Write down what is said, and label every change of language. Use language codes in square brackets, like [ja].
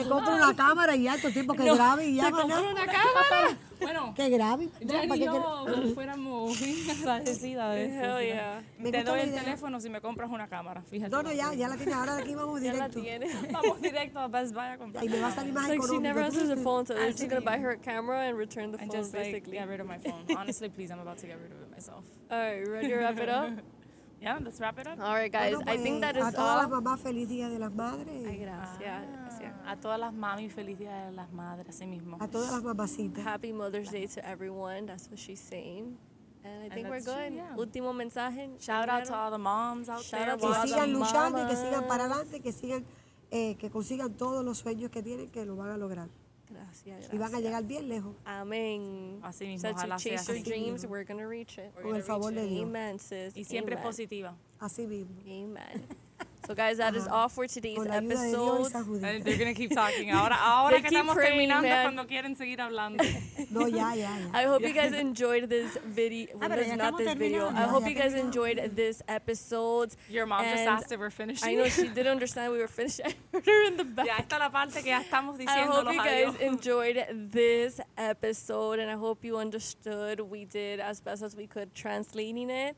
[es] poco. Te compro una cámara y ya, tu tiempo que grabe y ya. ¿Te compro una cámara? Bueno. Que grabe. Ya ni yo, fuéramos agradecidas de eso. [en] Oh, yeah. [es] Te doy el teléfono si me compras una cámara, fíjate. No, ya la tienes, ahora de aquí vamos directo. Ya la tienes. Vamos directo a Best Buy a comprar. Y me va a salir más económico. [en] She never answers the phone, so she's going to buy her a camera and return the phone, basically. And just like, get rid of my phone. Honestly, please, I'm about to get rid of it myself. All right, ready to wrap it up? Yeah, let's wrap it up. All right, guys, [es] bueno, pues, [en] I think that is all. [es] A todas las mamás, feliz Día de las Madres. Ay, gracias. A todas las mamis, feliz Día de las Madres, así mismo. A todas las mamacitas. [en] Happy Mother's Day to everyone, that's what she's saying. And I think we're good. Yeah. [es] Último mensaje. [en] Shout out to all the moms out there. [es] Que sigan luchando y que sigan para adelante, que sigan, que consigan todos los sueños que tienen, que lo van a lograr. Gracias. Y van a llegar bien lejos. Amén. Así mismo, ojalá sea. [en] Chase your dreams, we're going to reach it. [es] Con el favor de Dios. [en] Amen, sis. [es] Y siempre [en] Amen. [es] Positiva. Así mismo. [en] Amen. So guys, that is all for today's episode. [es] De [en] and they're going to keep talking. [es] Ahora que estamos terminando, cuando quieren seguir hablando. No, ya. [en] I hope you guys enjoyed this video. Well, this, not this video. I hope you guys enjoyed this episode. Your mom just asked if we're finishing. I know, she didn't understand we were finishing. I heard her in the back. [es] Ya está la parte que ya estamos diciendo. [en] I hope you guys enjoyed this episode, and I hope you understood we did as best as we could translating it.